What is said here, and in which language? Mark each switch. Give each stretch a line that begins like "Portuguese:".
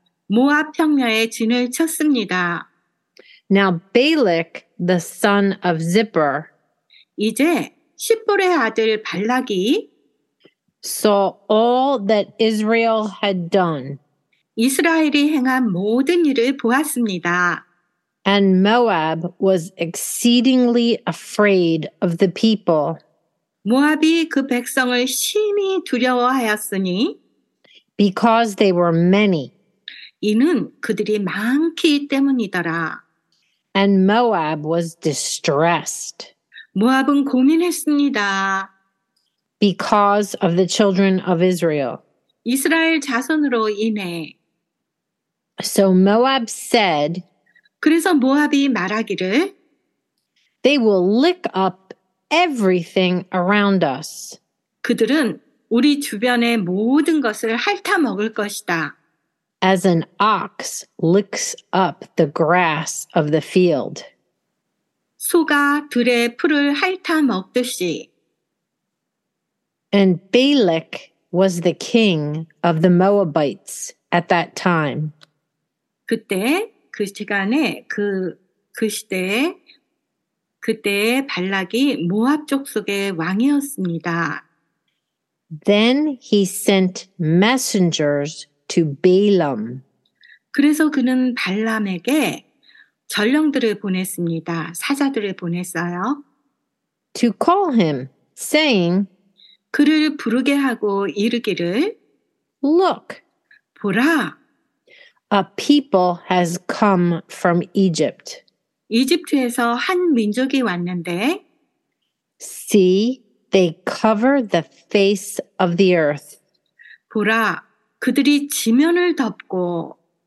Korean: 모압 평야에 진을 쳤습니다.
English: Now, Balak, the son of Zippor,
Korean: 이제 십불의 아들 발락이
English: saw all that Israel had done.
Korean: 이스라엘이 행한 모든 일을 보았습니다.
English: And Moab was exceedingly afraid of the people.
Korean: 모압이 그 백성을 심히 두려워하였으니
English: because they were many.
Korean: 이는 그들이 많기 때문이더라.
English: And Moab was distressed.
Korean: 모압은 고민했습니다.
English: Because of the children of Israel.
Korean: 이스라엘 자손으로 인해.
English: So Moab said,
Korean: 그래서 모압이 말하기를,
English: They will lick up everything around us.
Korean: 그들은 우리 주변의 모든 것을 핥아먹을 것이다.
English: As an ox licks up the grass of the field.
Korean: 소가 들의 풀을 핥아먹듯이.
English: And Balak was the king of the Moabites at that time.
Korean: 그때 그 시간에 그 시대에 그때 발락이 모압 족속의 왕이었습니다.
English: Then he sent messengers to Balaam.
Korean: 그래서 그는 발람에게 전령들을 보냈습니다. 사자들을 보냈어요.
English: To call him, saying,
Korean: 그를 부르게 하고 이르기를,
English: Look,
Korean: 보라,
English: a people has come from Egypt.
Korean: 이집트에서 한 민족이 왔는데,
English: See, they cover the face of the earth.
Korean: 보라, 그들이 지면을 덮고,